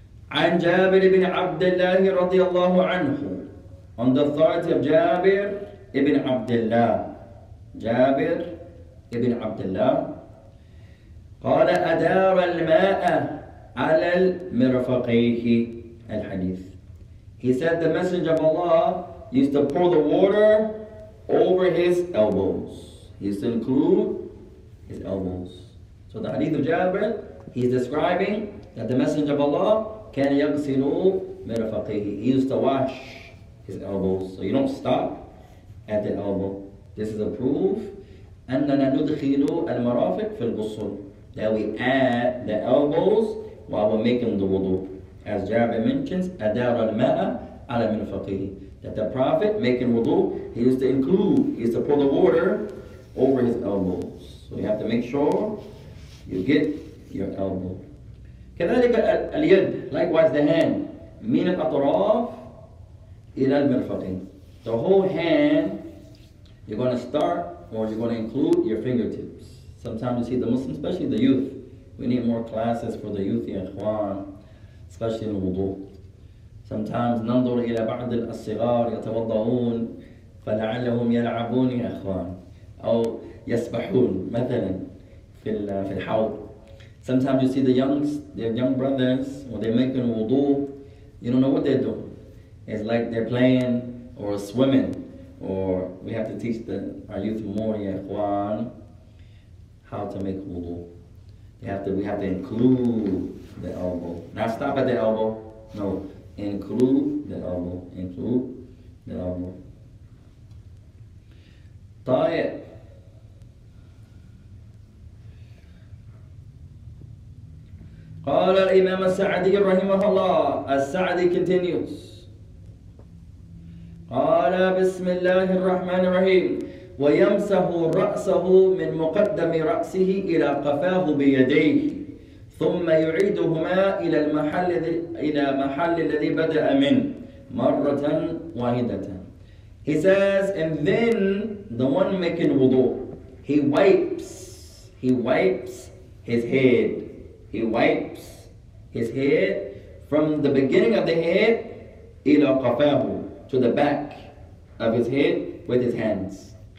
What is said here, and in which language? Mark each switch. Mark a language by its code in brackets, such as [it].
[ar] عن جابر بن عبد الله رضي الله عنه. [en] On the authority of جابر بن عبد الله. [ar] جابر بن عبد الله. قال أدار الماء على المرفقيه. الحديث. [en] He said the messenger of Allah used to pour the water over his elbows. He used to include his elbows. So the hadith of Jabir, he's describing that the messenger of Allah [ar] كان يغسل مرفقيه. [en] He used to wash his elbows. So you don't stop at the elbow. This is a proof [ar] أننا ندخل المرافق في الغسل. [en] That we add the elbows while we're making the wudu. As Jabir mentions, [ar] أدار الماء على مرفقيه. [en] That the Prophet making wudu, he used to include, he used to pour the water over his elbows. So you have to make sure you get your elbow. [ar] كذلك اليد. [en] Likewise the hand. [ar] من الأطراف إلى المرفقين. [en] The whole hand, you're going to start, or you're going to include your fingertips. Sometimes you see the Muslims, especially the youth, we need more classes for the youth, [ar] ya ikhwan, [en] especially in wudu. [ar] Sometimes, ننظر إلى بعض الصغار يتوضعون فلعلهم يلعبون يا إخوان أو يسبحون مثلا في الحوض. [en] Sometimes you see the youngs, their young brothers, or they're making wudu, you don't know what they're doing. It's like they're playing or swimming, or we have to teach our youth more, [ar] ya Ikhwan, [en] how to make wudu. We have to include the elbow. Not stop at the elbow, no. Include the elbow. [ar] طيب. قال الإمام السعدي رحمه الله. السعدي continues. قال بسم الله الرحمن الرحيم. ويمسح رأسه من مقدم رأسه إلى قفاه بيديه. ثم يعيدهما إلى محل الذي بدأ من مرة واحدة. [en] He says, and then the one making wudu, he wipes his head from the beginning of the head [ar] إلى قفاه, [en] to the back of his head with his hands.